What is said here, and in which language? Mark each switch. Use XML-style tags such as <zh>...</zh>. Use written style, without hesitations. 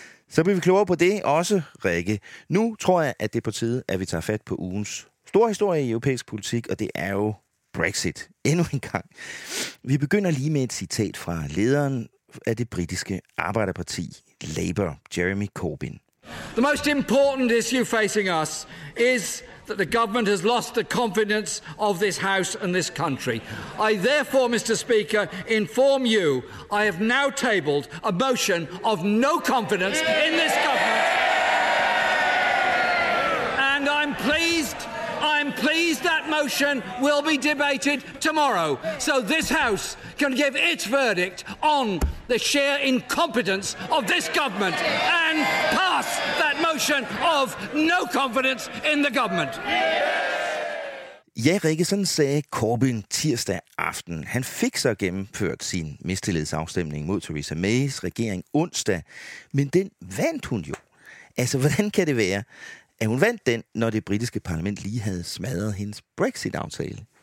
<da>Så bliver vi klogere på det også, Rikke. Nu tror jeg, at det er på tide, at vi tager fat på ugens store historie i europæisk politik, og det er jo Brexit. Endnu en gang. Vi begynder lige med et citat fra lederen af det britiske arbejderparti, Labour, Jeremy Corbyn.</da> <en>The most important issue facing us is that the government has lost the confidence of this house and this country. I therefore, Mr. Speaker, inform you I have now tabled a motion of no confidence in this government. And I'm pleased that motion will be debated tomorrow, so this house can give its verdict on the sheer incompetence of this government and pass that motion of no confidence in the government.</en> <da>Ja, Rikke, sådan sagde Corbyn tirsdag aften. Han fik så gennemført sin mistillidsafstemning mod Theresa Mays regering onsdag, men den vandt hun jo. Altså, hvordan kan det være, at hun vandt den, når det britiske parlament lige havde smadret hendes Brexit-aftale?</da>